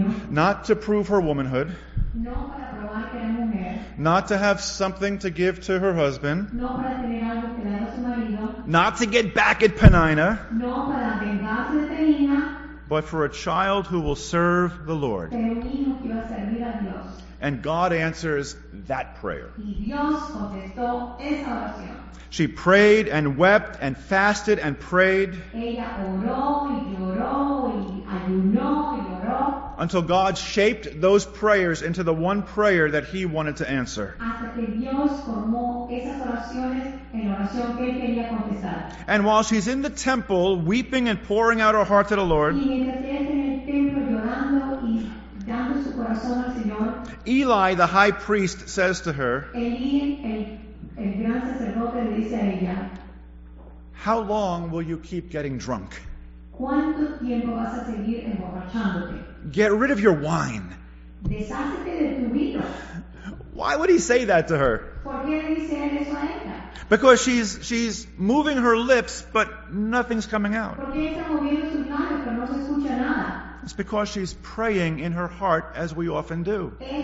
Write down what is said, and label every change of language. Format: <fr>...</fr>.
<en>Not to prove her womanhood.</en> <es>No para probar que era mujer.</es> <en>Not to have something to give to her husband.</en> <es>No para tener algo que dar a su marido.</es> <en>Not to get back at Penina.</en> <es>No para vengarse de Penina.</es> <en>But for a child who will serve the Lord.</en> <es>Pero un hijo que iba a servir a Dios.</es> <en>And God answers that prayer.</en> <es>Y Dios contestó esa oración.</es> <en>She prayed and wept and fasted and prayed.</en> <es>Ella oró y lloró y ayunó y oró.</es> <en>Until God shaped those prayers into the one prayer that he wanted to answer.</en> <es>Hasta que Dios formó esas oraciones en la oración que él quería contestar.</es> <en>And while she's in the temple, weeping and pouring out her heart to the Lord,</en> <es>y mientras ella está en el templo llorando y dando su corazón al Señor,</es> <en>Eli, the high priest, says to her,</en> <es>el gran sacerdote le dice a ella,</es> <en>how long will you keep getting drunk?</en> <es>¿Cuánto tiempo vas a seguir emborrachándote?</es> <en>Get rid of your wine.</en> <es>Deshácete de tu vino.</es> <en>Why would he say that to her?</en> <es>¿Por qué le dice él eso a ella?</es> <en>Because she's moving her lips, but nothing's coming out.</en> <es>Porque ella está moviendo sus labios, pero no se escucha nada.</es> <en>It's because she's praying in her heart as we often do.</en>